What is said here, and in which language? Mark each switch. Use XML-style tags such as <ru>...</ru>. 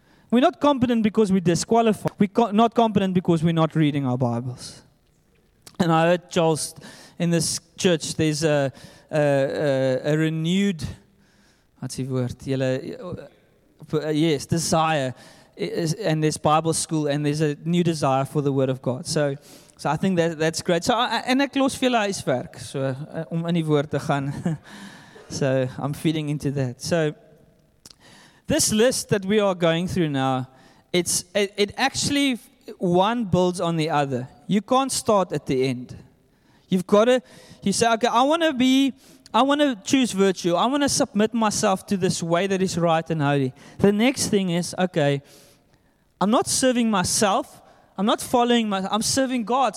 <en>We're not competent because we're disqualified. We're not competent because we're not reading our Bibles. And I heard, Charles, in this church, there's a renewed, what's the word? Yes, desire. And there's Bible school, and there's a new desire for the Word of God. So I think that's great.</en> <af>So, en ek los vir julle huiswerk, so om in die woord te gaan.</af> <en>So I'm feeding into that. So, this list that we are going through now, it actually, one builds on the other. You can't start at the end. You've got to, you say, okay, I want to choose virtue. I want to submit myself to this way that is right and holy. The next thing is, okay, I'm not serving myself. I'm not following myself. I'm serving God.</en>